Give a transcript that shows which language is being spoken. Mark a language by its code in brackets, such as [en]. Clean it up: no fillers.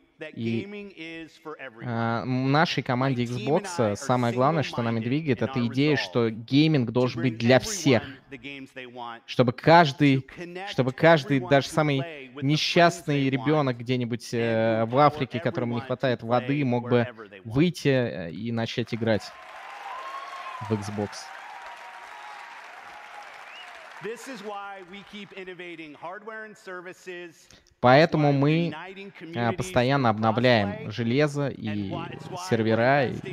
[ru] И нашей команде Xbox самое главное, что нами двигает, это идея, что гейминг должен быть для всех. Чтобы каждый, даже самый несчастный ребенок где-нибудь в Африке, которому не хватает воды, мог бы выйти и начать играть в Xbox. [en] This is why we keep innovating hardware and services. [ru] Поэтому мы постоянно обновляем железо и сервера.